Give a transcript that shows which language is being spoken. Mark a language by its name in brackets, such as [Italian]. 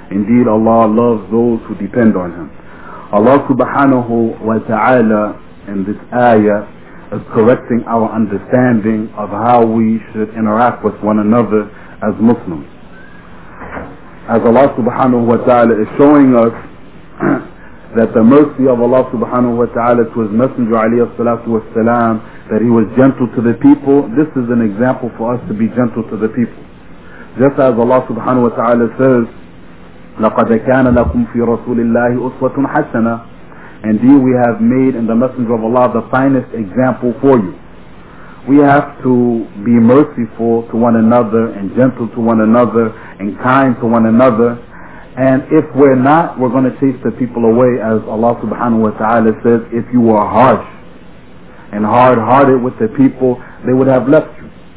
[English] Indeed, Allah loves those who depend on Him. Allah subhanahu wa ta'ala in this ayah is correcting our understanding of how we should interact with one another as Muslims. As Allah subhanahu wa ta'ala is showing us that the mercy of Allah subhanahu wa ta'ala to His Messenger alayhi salatu wa salam, that He was gentle to the people, this is an example for us to be gentle to the people. Just as Allah subhanahu wa ta'ala says, [Arabic] لقد كان لكم في رسول الله أسوة حسنة. [English] Indeed, we have made in the Messenger of Allah the finest example for you. We have to be merciful to one another and gentle to one another and kind to one another. And if we're not, we're going to chase the people away, as Allah subhanahu wa ta'ala says, if you were harsh and hard-hearted with the people, they would have left you.